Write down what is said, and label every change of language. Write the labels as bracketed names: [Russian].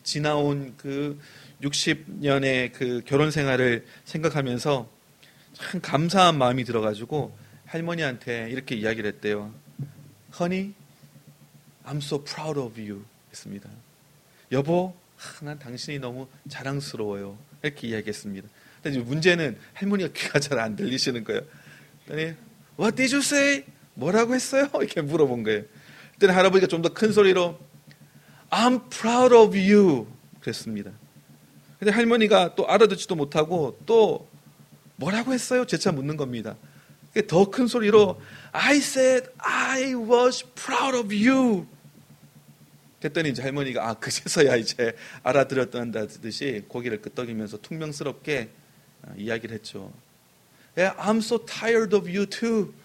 [Korean] 지나온 그 60년의 그 결혼 생활을 생각하면서 참 감사한 마음이 들어가지고 할머니한테 이렇게 이야기를 했대요. [English] Honey, I'm so proud of you. [Korean] 했습니다. 여보, 난 당신이 너무 자랑스러워요. 이렇게 이야기했습니다. 근데 이제 문제는 할머니가 귀가 잘 안 들리시는 거예요. 그랬더니, [English] What did you say? [Korean] 뭐라고 했어요? 이렇게 물어본 거예요. 그때는 할아버지가 좀 더 큰 소리로 [English] I'm proud of you. [Korean] 그랬습니다. 근데 할머니가 또 알아듣지도 못하고 또 뭐라고 했어요? 재차 묻는 겁니다. 더 큰 소리로 [English] I said I was proud of you. [Korean] 그랬더니 이제 할머니가 아 그제서야 이제 알아들었다듯이 고개를 끄덕이면서 퉁명스럽게 이야기를 했죠. [English] Yeah, I'm so tired of you too.